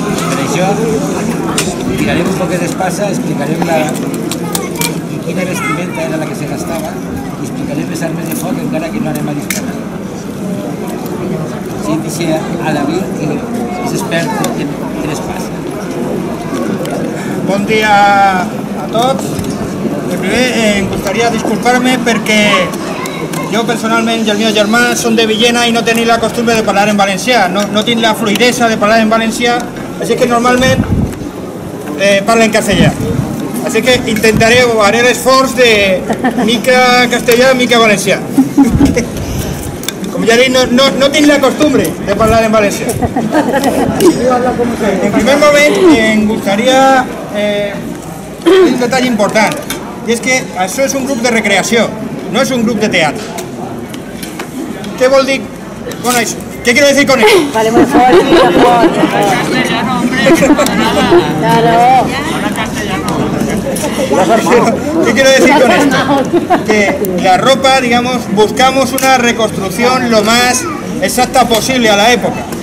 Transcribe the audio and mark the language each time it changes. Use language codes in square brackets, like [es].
[es] Pero yo tiraré un poco de espasa, explicaré la quina vestimenta era la que se gastaba y explicaré mis armes de foc [ca] encara que no anem a disparar. [es] Sí, dice a David que es experto en espasa. [ca] Bon dia a tots. Primer, em [es] gustaría disculparme [ca] perquè jo personalment i el meu germà som de Villena i no tenim la costumbre de parlar en valencià, no tinc la fluidesa de parlar en valencià, així que normalment parlo en castellà. Així que intentaré o haré l'esforç de mica castellà, mica valencià. Com ja he dit, no tinc la costumbre de parlar en valencià. En primer moment em gustaría un detall important, i és que això és un grup de recreació, no és un grup de teatre. ¿Qué vol dir con això? [es] ¿Qué quiero decir con esto? Vale, muy fuerte, muy fuerte. Castellano, hombre, nada. Claro. Castellano. ¿Qué quiero decir con esto? Que la ropa, digamos, buscamos una reconstrucción lo más exacta posible a la época.